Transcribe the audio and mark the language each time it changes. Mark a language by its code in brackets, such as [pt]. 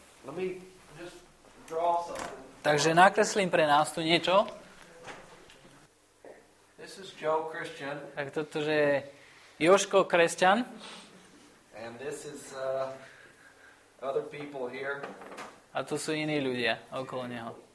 [en] Let me just draw something. [sk] Takže nakreslím pre nás tu niečo. [en] This is Joe Christian. [sk] Tak toto je Joško Kresťan. [en] And this is other people here. [sk] A tu sú iní ľudia okolo neho.